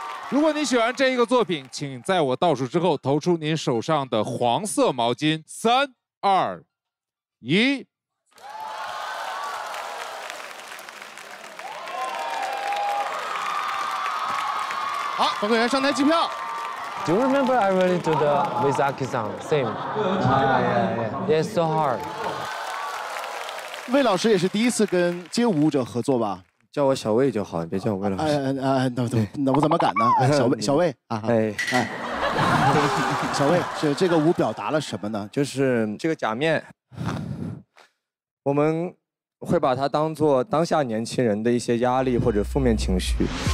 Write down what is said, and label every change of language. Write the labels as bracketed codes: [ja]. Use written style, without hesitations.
[zh] 如果你喜欢这一个作品，请在我倒数之后投出您手上的黄色毛巾，三二一，好，工作人员上台计票。 [en] Do you remember I really do the Mizaki song? Same. Yeah. It's so hard. [zh] 魏老师也是第一次跟街舞舞者合作吧？叫我小魏就好，别叫我魏老师。那我怎么敢呢？小魏，小魏啊，小魏，是这个舞表达了什么呢？就是这个假面，我们会把它当作当下年轻人的一些压力或者负面情绪。